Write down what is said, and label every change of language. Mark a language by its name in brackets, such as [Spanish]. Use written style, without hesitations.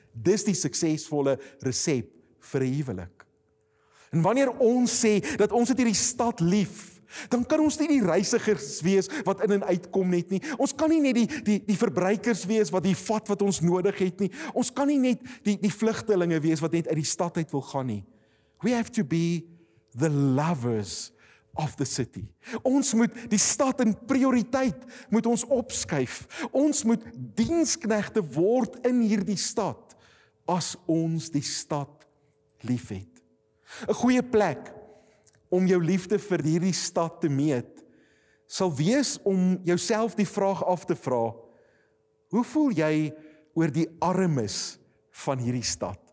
[Afrikaans] Dis die suksesvolle resep vir 'n huwelik. En wanneer ons sê dat ons het hierdie stad lief, dan kan ons nie die reisigers wees wat in en uitkom net nie. Ons kan nie net die verbruikers wees wat die vat wat ons nodig het nie. Ons kan nie net die vlugtelinge wees wat net uit die stad uit wil gaan nie. [English] We have to be the lovers of the city. [Afrikaans] Ons moet die stad in prioriteit moet ons opskuif. Ons moet diensknegte word in hierdie stad as ons die stad liefhet. 'N goeie plek om jou liefde vir hierdie stad te meet sal wees om jouself die vraag af te vra: hoe voel jy oor die armes van hierdie stad?